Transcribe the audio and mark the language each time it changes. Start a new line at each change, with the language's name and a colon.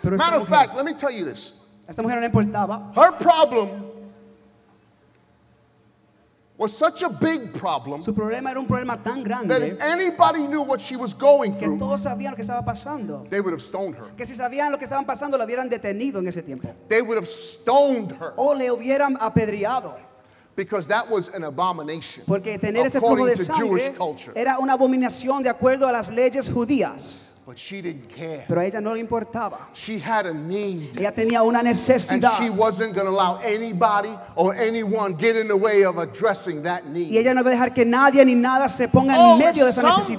English: Matter of fact, let me tell you this.
Spanish: Esta mujer no le importaba.
English: Her problem was such a big problem
Spanish: su problema era un problema tan grande,
English: that if anybody knew what she was going
Spanish: que
English: through,
Spanish: todos sabían lo que estaba pasando,
English: they would have stoned her.
Spanish: Que si sabían lo que estaban pasando, la hubieran detenido en ese tiempo.
English: They would have stoned her.
Spanish: O le hubieran apedreado.
English: Because that was an abomination.
Spanish: Porque tener ese flujo de sangre era una abominación de acuerdo a las leyes judías.
English: But she didn't care.
Spanish: Pero a ella no le importaba.
English: She had a need.
Spanish: Ella tenía una necesidad.
English: And she wasn't going to allow anybody or anyone get in the way of addressing that need.
Spanish: Y ella no va a dejar que nadie ni nada se ponga en medio de esa necesidad.